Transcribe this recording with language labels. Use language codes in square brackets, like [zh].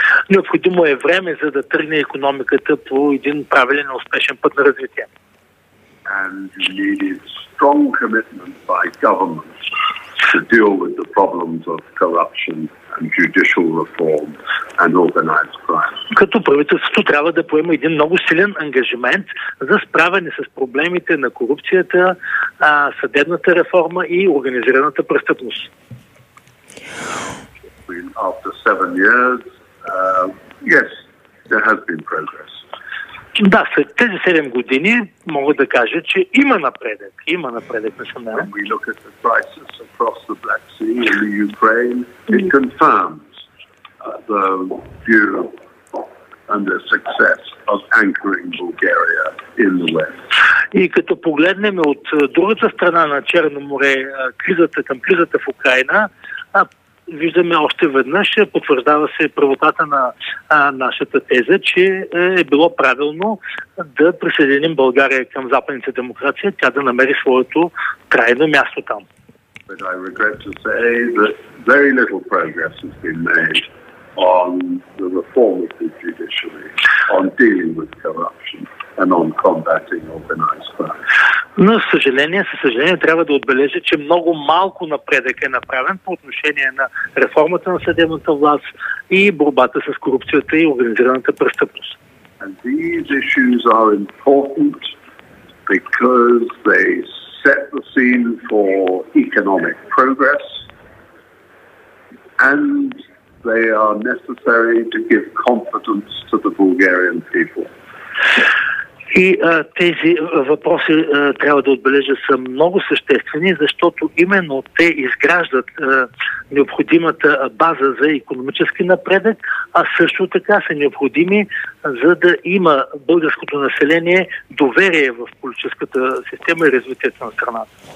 [bg] Необходимо е време, за да тръгне икономиката по един правилен и успешен път на развитие. [en] And you needed strong commitment by government to deal with the problems of corruption and judicial reform and organized crime. [bg] Като правителството трябва да поема един много силен ангажимент за справяне с проблемите на корупцията, съдебната реформа и организираната престъпност. [en] After 7 years, yes, there has been progress. [bg] Да, след тези 7 години мога да кажа, че има напредък. Има напредък, не съм наред. [en] When we look at the crisis across the Black Sea in the Ukraine, it confirms the view and the success of anchoring Bulgaria in the West. [bg] И като погледнем от другата страна на Черно море, кризата към кризата в Украина, виждаме още веднъж, потвърждава се правотата на нашата теза, че е било правилно да присъединим България към западните демокрации, тя да намери своето крайно място там. [en] But I regret to say that very little progress has been made on the reform of the judiciary, on dealing with corruption and on combating organized crime. [bg] Но съжаление, трябва да отбележа, че много малко напредък е направен по отношение на реформата на съдебната власт и борбата с корупцията и организираната престъпност. [en] And these issues are important because they set the scene for economic progress and they are necessary to give confidence to the Bulgarian people. [bg] И тези въпроси трябва да отбележа са много съществени, защото именно те изграждат необходимата база за икономически напредък, а също така са необходими, за да има българското население доверие в политическата система и развитието на страната.